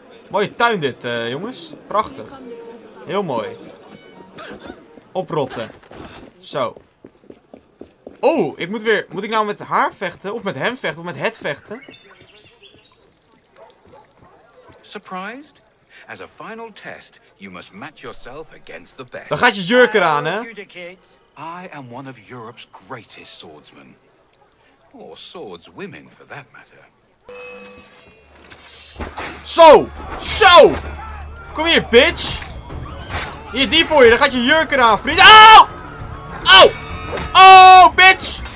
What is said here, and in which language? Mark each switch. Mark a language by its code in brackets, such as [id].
[nl] Mooie tuin dit, jongens. Prachtig. Heel mooi. Oprotten. Zo. Oh, ik moet weer... Moet ik nou met haar vechten? Of met hem vechten? Of met het vechten? [en] Surprised? As a final test, you must match yourself against the best. [nl] Dan gaat je jurk eraan, hè? [en] I am one of Europe's greatest swordsmen. Or swordswomen, for that matter. [nl] Zo! Zo! Kom hier, bitch! Hier, die voor je. Dan gaat je jurk eraan, vriend. Au! Au! Oh, bitch!